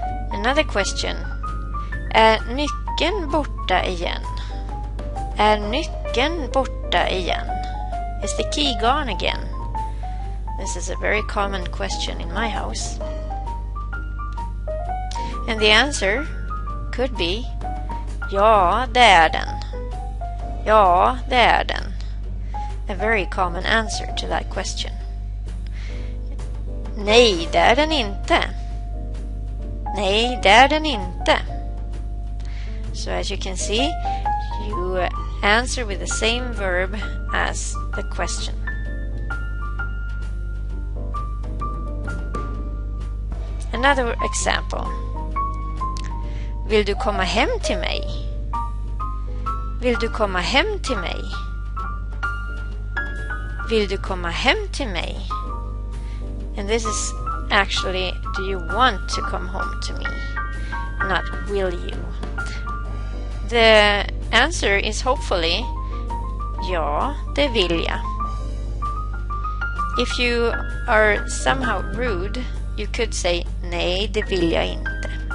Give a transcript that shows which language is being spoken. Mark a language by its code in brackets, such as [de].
[en] Another question. [sv] Är nyckeln borta igen? Är nyckeln borta igen? [en] Is the key gone again? This is a very common question in my house. And the answer could be, [sv] ja, det är den. Ja, det är den. [en] A very common answer to that question. [sv] Nej, det är den inte. Nej, det är den inte. [en] So as you can see, you answer with the same verb as the question. Another example. [sv] Vill du komma hem till mig? Vill du komma hem till mig? Vill du komma hem till mig? [en] And this is actually, do you want to come home to me? Not will you. The answer is hopefully, [sv] ja, det vill jag. [en] If you are somehow rude, you could say, [sv] nej, det vill jag inte.